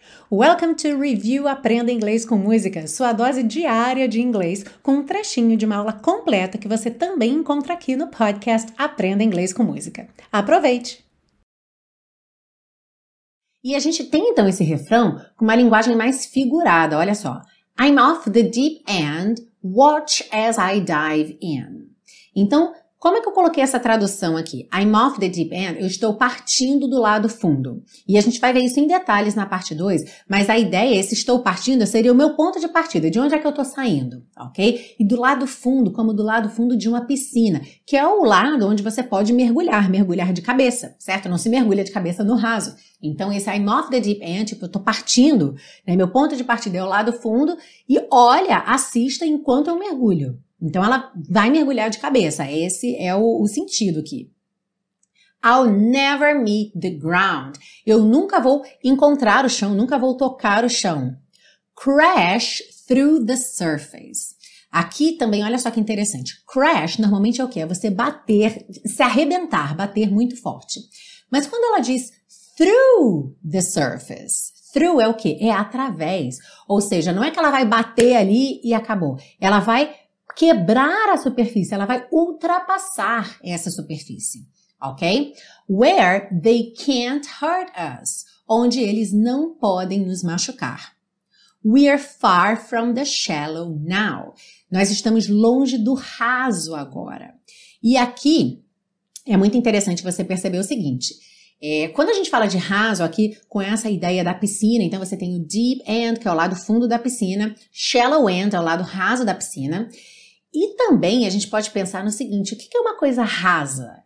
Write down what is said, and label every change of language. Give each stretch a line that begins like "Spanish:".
English: Welcome to
Portuguese: Review Aprenda Inglês com Música, sua dose diária de inglês, com um trechinho de uma aula completa que você também encontra aqui no podcast Aprenda Inglês com Música. Aproveite! E a gente tem então esse refrão com uma linguagem mais figurada, olha só.
English: I'm off the deep end, watch as I dive in.
Portuguese: Então, como é que eu coloquei essa tradução aqui?
English: I'm off the deep end,
Portuguese: eu estou partindo do lado fundo. E a gente vai ver isso em detalhes na parte 2, mas a ideia, esse estou partindo, seria o meu ponto de partida, de onde é que eu estou saindo, ok? E do lado fundo, como do lado fundo de uma piscina, que é o lado onde você pode mergulhar, mergulhar de cabeça, certo? Não se mergulha de cabeça no raso. Então, esse
English: I'm off the deep end,
Portuguese: tipo, eu estou partindo, né? Meu ponto de partida é o lado fundo, e olha, assista enquanto eu mergulho. Então, ela vai mergulhar de cabeça. Esse é o sentido aqui.
English: I'll never meet the ground.
Portuguese: Eu nunca vou encontrar o chão, nunca vou tocar o chão.
English: Crash through the surface.
Portuguese: Aqui também, olha só que interessante. Crash, normalmente, é o quê? É você bater, se arrebentar, bater muito forte. Mas quando ela diz
English: through the surface...
Portuguese: Through é o quê? É através. Ou seja, não é que ela vai bater ali e acabou. Ela vai quebrar a superfície. Ela vai ultrapassar essa superfície. Ok?
English: Where they can't hurt us.
Portuguese: Onde eles não podem nos machucar.
English: We're far from the shallow now.
Portuguese: Nós estamos longe do raso agora. E aqui é muito interessante você perceber o seguinte... quando a gente fala de raso aqui, com essa ideia da piscina, então você tem o deep end, que é o lado fundo da piscina, shallow end é o lado raso da piscina, e também a gente pode pensar no seguinte, o que é uma coisa rasa?